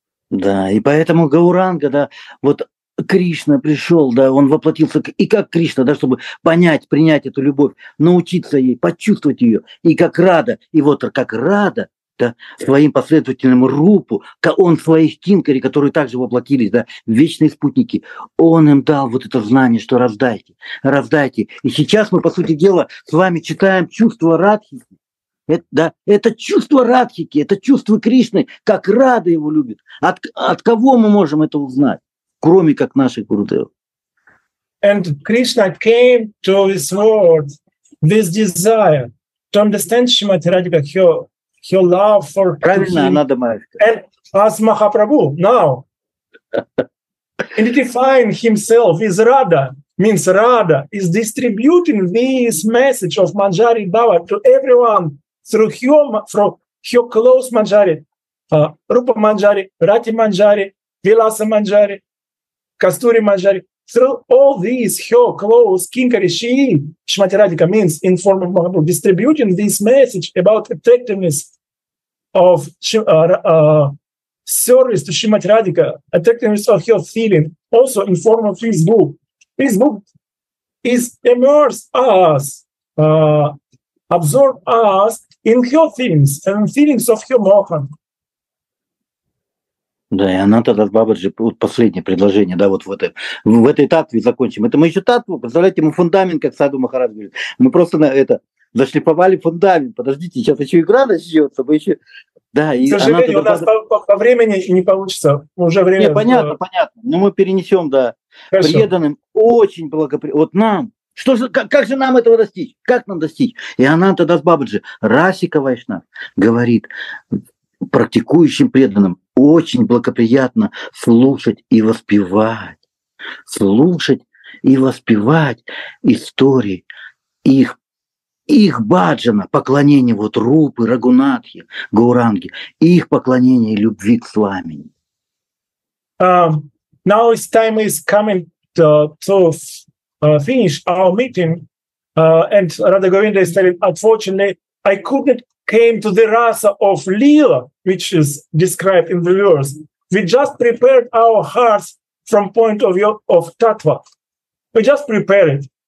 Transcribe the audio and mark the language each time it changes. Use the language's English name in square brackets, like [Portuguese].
[Russian] Да, и поэтому Гауранга, да, вот Кришна пришел, да, он воплотился, и как Кришна, да, чтобы понять, принять эту любовь, научиться ей, почувствовать ее, и как Рада, и вот как Рада, да, своим последовательным Рупу, он своих кинкари, которые также воплотились, да, вечные спутники, он им дал вот это знание, что раздайте, раздайте. И сейчас мы, по сути дела, с вами читаем чувство Радхики. Это чувство Радхики, это чувство Кришны, как Рада его любит. От кого мы можем это узнать, кроме как наших Гурудев? [English] And Krishna came to this world with desire to understand Shrimati Radhika, your love for him. And as Mahaprabhu now identifying himself is Radha, means Radha is distributing this message of Manjari Bhava to everyone through her close Manjari, Rupa Manjari, Rati Manjari, Vilasa Manjari, Kasturi Manjari, through all these her close Kinkari Shi, Shrimati Radhika means in form of Mahaprabhu, distributing this message about attractiveness of service to Shrimati Radhika, attractiveness of her feeling, also in form of this book. This book is immerse us, absorb us in her feelings and feelings of her mohan. [Russian] Да, и Ананта Дас Бабаджи, вот последнее предложение, да, вот в этой татве закончим. Это мы еще татву, представляете, мы фундамент, как Саду Махарадж говорит. Мы просто на это зашлифовали фундамент. Подождите, сейчас еще игра начнется, мы еще... Да, к сожалению, у нас по времени не получится. Уже время. Нет, понятно, понятно. Но мы перенесем, да. Хорошо. Преданным очень благоприятно. Вот нам. Что же, как же нам этого достичь? Как нам достичь? И Ананта Дас Бабаджи, Расика Вайшнав, говорит практикующим преданным очень благоприятно слушать и воспевать истории их баджана, поклонение вот Рупы, Рагунатхи, Гауранги, их поклонение любви к Свами. [English] Now it's time is coming to finish our meeting, and Radha Govinda is telling, unfortunately, I couldn't came to the rasa of Lila, which is described in the verse. We just prepared our hearts from point of view of tattva. We just prepared it.